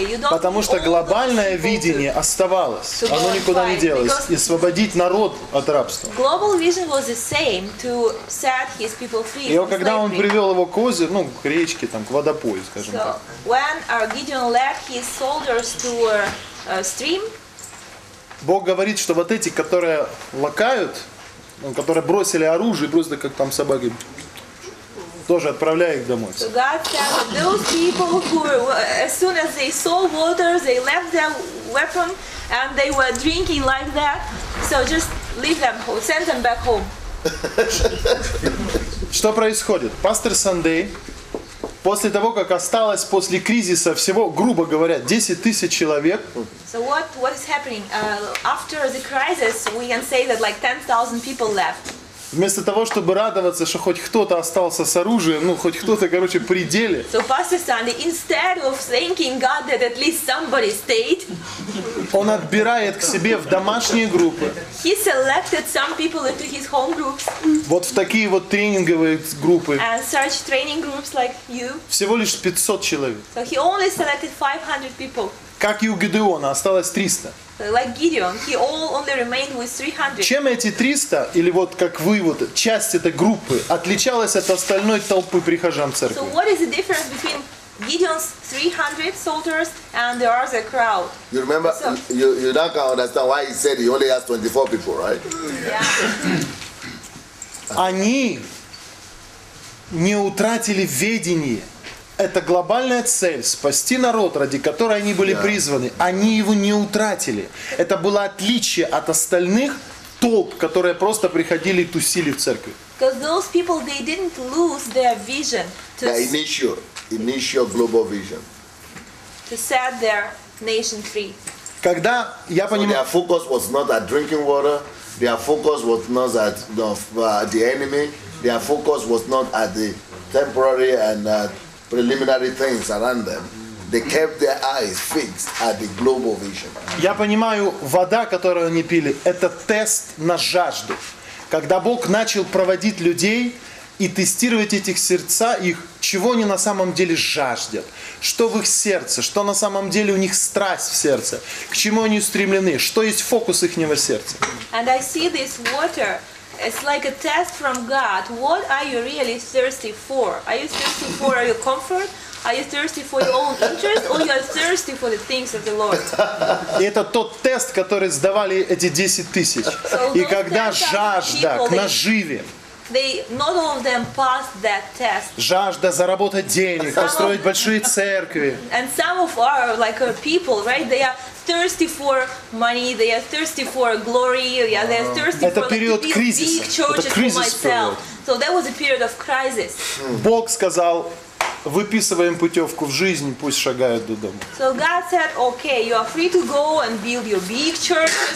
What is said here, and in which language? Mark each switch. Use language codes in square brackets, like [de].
[ru] Потому что глобальное видение оставалось. Оно никуда не делось. И освободить народ от рабства. И когда он привел его к озеру, ну, к речке, там, к водопою, скажем так. [en] When Gideon led his soldiers to a stream, [ru] Бог говорит, что вот эти, которые лакают, которые бросили оружие, просто как там собаки, тоже отправляй их домой. [en] So God said, those people who, as soon as they saw water, they left their weapon and they were drinking like that, so just leave them home, send them back home. [ru] Что происходит? Пастор Сандей, после того, как осталось после кризиса всего, грубо говоря, 10 тысяч человек. [en] So what is happening? After the crisis, we can say that like 10,000 people left. [ru] Вместо того, чтобы радоваться, что хоть кто-то остался с оружием, ну, хоть кто-то, короче, при деле. [en] So Pastor Sandy, instead of thanking God that at least somebody stayed. [ru] Он отбирает к себе в домашние группы. [en] He selected some people into his home groups. [ru] Вот в такие вот тренинговые группы. [en] And such training groups like you. [ru] Всего лишь 500 человек. [en] So he only selected 500 people. [ru] Как и у Гидеона, осталось 300. [en] Like Gideon, he all only remained with 300. [ru] Чем эти 300, или вот как вы, вот часть этой группы, отличалась от остальной толпы прихожан церкви? [en] So what is the difference between Gideon's 300 soldiers and the other crowd? You remember, so, you don't can understand why he said he only has 24 people, right? Yeah. [ru] Они не утратили ведение. Это глобальная цель — спасти народ, ради которой они были призваны. Они его не утратили. Это было отличие от остальных толп, которые просто приходили и тусили в церкви. [en] Because those people, they didn't lose their vision. Their initial global vision. to set their nation free. [ru] Когда я понимаю, [en] their focus was not at drinking water, their focus was not at the enemy, their focus was not at the temporary and preliminary things around them. They kept their eyes fixed at the global vision. [ru] Я понимаю, вода, которую они пили, это тест на жажду. Когда Бог начал проводить людей и тестировать этих сердца, их, чего они на самом деле жаждут, что в их сердце, что на самом деле у них страсть в сердце, к чему они устремлены, что есть фокус ихнего сердца. [en] And I see this water, it's like a test from God. What are you really thirsty for? Are you thirsty for your comfort? Are you thirsty for your own interest, or you are thirsty for the things of the Lord? [ru] И это тот тест, который сдавали эти 10 тысяч. И когда жажда к наживе. [en] They not all of them passed that test. [ru] Жажда заработать денег, построить большие церкви. [en] And some of our like our people, right? They are thirsty for money. They are thirsty for glory. Yeah, they are thirsty [ru] это [en] for like, these big churches for myself. So that was a period of crisis. [ru] Бог сказал. Выписываем путевку в жизнь, пусть шагают до дома. [en] So God said, okay, you are free to go and build your big church.